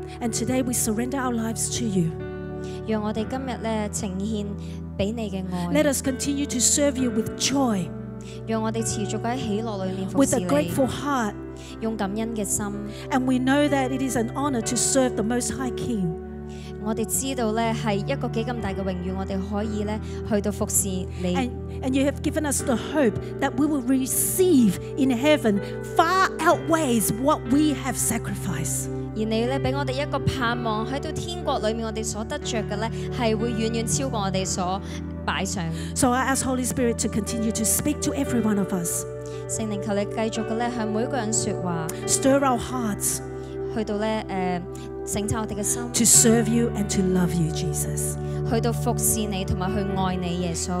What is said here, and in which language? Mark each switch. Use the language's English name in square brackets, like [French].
[English] And today we surrender our lives to you. [Cantonese] 让我哋今日咧呈现俾你嘅爱。 [English] Let us continue to serve you with joy. [Cantonese] 让我哋持续喺喜乐里面服侍你。 [English] With a grateful heart. [Cantonese] 用感恩嘅心。 [English] And we know that it is an honor to serve the Most High King. [Cantonese] 我哋知道咧系一个几咁大嘅荣誉，我哋可以咧去到服侍你。 [English] And you have given us the hope that we will receive in heaven far outweighs what we have sacrificed. [Cantonese] 而你咧俾我哋一个盼望，喺到天国里面，我哋所得着嘅咧，系会远远超过我哋所摆上。 [English] So I ask Holy Spirit to continue to speak to every one of us. [Cantonese] 圣灵求你继续嘅咧，向每个人说话。 [English] Stir our hearts. [Cantonese] 去到咧，省察我哋嘅心。 [English] To serve you and to love you, Jesus. [Cantonese] 去到服侍你同埋去爱你，耶稣。